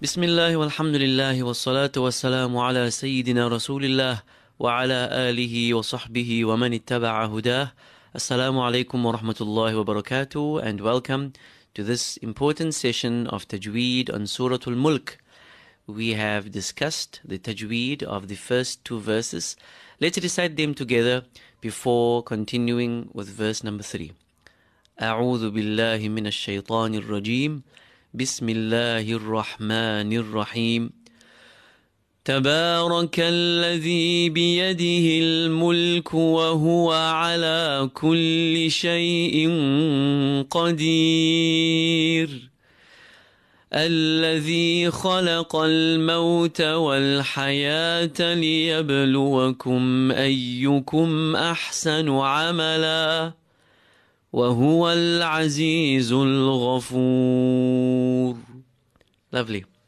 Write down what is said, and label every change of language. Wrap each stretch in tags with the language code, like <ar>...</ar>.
<ar>بسم الله والحمد لله والصلاة والسلام على سيدنا رسول الله وعلى آله وصحبه ومن اتبع هداه السلام عليكم ورحمة الله وبركاته</ar> <en>and welcome to this important session of Tajweed on Surah Al-Mulk. We have discussed the Tajweed of the first two verses. Let's recite them together before continuing with verse number 3.</en> <ar>أعوذ بالله من الشيطان الرجيم بسم الله الرحمن الرحيم تبارك الذي بيده الملك وهو على كل شيء قدير الذي خلق الموت والحياة ليبلوكم أيكم أحسن عملا وَهُوَ الْعَزِيزُ الْغَفُورُ</ar> <en>Lovely.</en>